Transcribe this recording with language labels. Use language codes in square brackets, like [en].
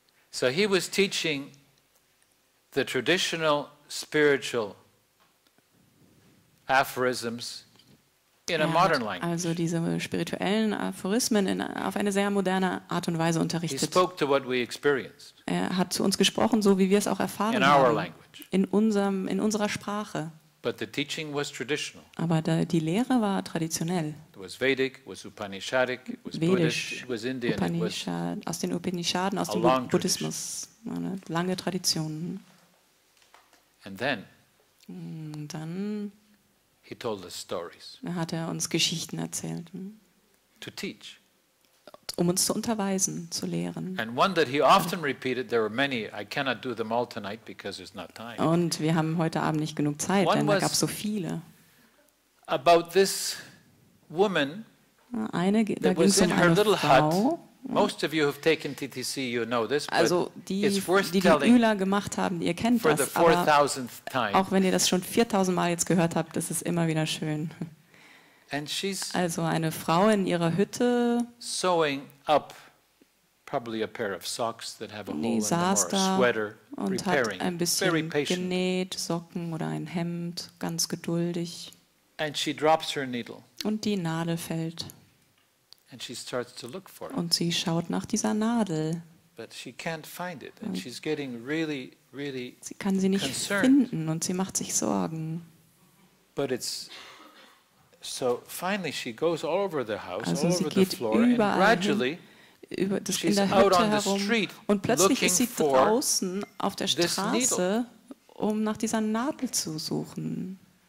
[en] So he was teaching the traditional spiritual aphorisms in [de] er [en] a modern language. [de] Also diese spirituellen Aphorismen auf eine sehr moderne Art und Weise unterrichtet. [en] He spoke to what we experienced. [de] Er hat zu uns gesprochen, so wie wir es auch erfahren [en] in [de] haben. [en] Our language. [de] In unserer Sprache. [en] But the teaching was traditional. [de] Aber die Lehre war traditionell. [en] It was Vedic, was Upanishadic, it was Buddhist, it was Indian. [de] Upanishad, aus den Upanishaden, aus dem Buddhismus. Eine lange Tradition. [en] And then, [de] dann [en] he told us stories. [de] Hat er uns Geschichten erzählt. [en] To teach. [de] Um uns zu unterweisen, zu lehren. [en] And one that he often repeated, there were many, I cannot do them all tonight because there's not time. [de] Und wir haben heute Abend nicht genug Zeit, denn es gab so viele. [en] About this woman, [de] eine, [en] that was in her little [de] Frau, [en] hut, Most of you have taken TTC, you know this, [de] also die die ÜLA gemacht haben, ihr kennt das, aber auch wenn ihr das schon 4000 Mal jetzt gehört habt, das ist immer wieder schön. [en] And she's [de] also eine Frau in ihrer Hütte saß da und hat ein bisschen genäht, Socken oder ein Hemd, ganz geduldig. [en] And she drops her needle. [de] Und die Nadel fällt. [en] And she starts to look for it. [de] Und sie schaut nach dieser Nadel. [en] But she can't find it, and she's getting really, really concerned. [de] Sie kann sie nicht finden und sie macht sich Sorgen. [en] But it's so. Finally, she goes all over the house, [de] also [en] all over the floor, and gradually, über, she's [de] in der Hütte [en] out on the street [de] und plötzlich ist sie draußen auf der Straße, um nach dieser Nadel zu suchen.